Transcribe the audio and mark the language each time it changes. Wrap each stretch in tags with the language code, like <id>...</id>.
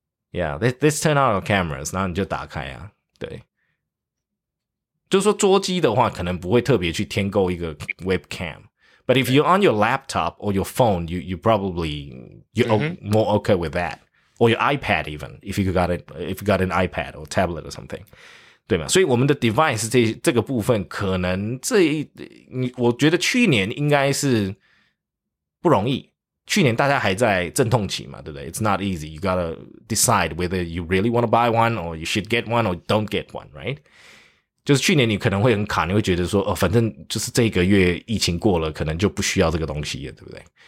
<en>Yeah, let's turn on your cameras.</en> <zh>然后你就打开啊，对。就是说桌机的话，可能不会特别去添购一个 webcam.</zh> <en>But if you're on your laptop or your phone, you probably more okay with that. Or your iPad even, if you got an iPad or tablet or something.</en> <zh>对嘛，所以我们的 device 这个部分可能我觉得去年应该是不容易，去年大家还在阵痛期嘛，对不对？</zh> <en>It's not easy. You gotta decide whether you really want to buy one or you should get one or don't get one, right?</en> <zh>就是去年你可能会很卡，你会觉得说，哦，反正就是这个月疫情过了，可能就不需要这个东西了，对不对？</zh>